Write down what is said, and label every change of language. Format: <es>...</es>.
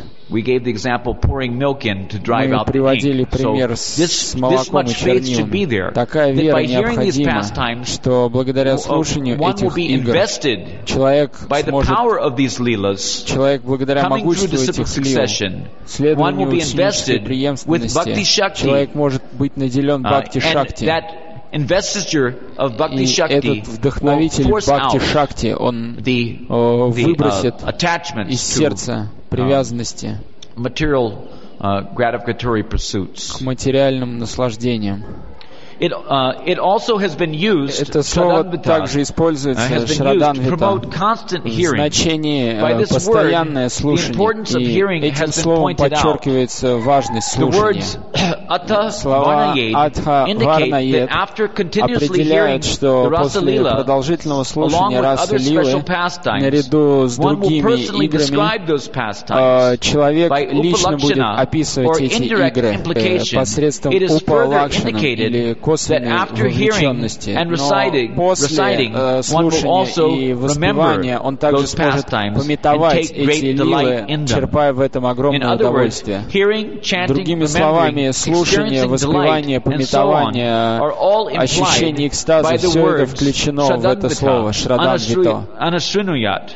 <en>We gave the example pouring milk in to drive out the ink. So this much faith should be there. That by hearing these pastimes, one will be invested by the power of these lilas, coming through the disciplic succession. One will be invested with bhakti shakti.</en> <ru>Человек может быть наделен бхакти шакти.</ru> <en>And that investiture of bhakti shakti,</en> <ru>этот вдохновитель бхакти шакти, он выбросит из сердца привязанности к материальным наслаждениям.</ru> <en>It also has been used.</en> <ru>Это слово также используется Шрадханвита в значении постоянное слушание. И этим словом подчеркивается важность слушания. Слова «атха варнаед» определяют, что после продолжительного слушания Расалилы наряду с другими играми человек лично будет описывать эти игры посредством упа-лакшана или косвенно.</ru> <en>That after hearing and reciting, one will also remember those pastimes and take great delight in them. In other words, hearing, chanting, remembering, experiencing delight, and so on are all implied by the words Shraddhanvita, Anashrinuyat,</en>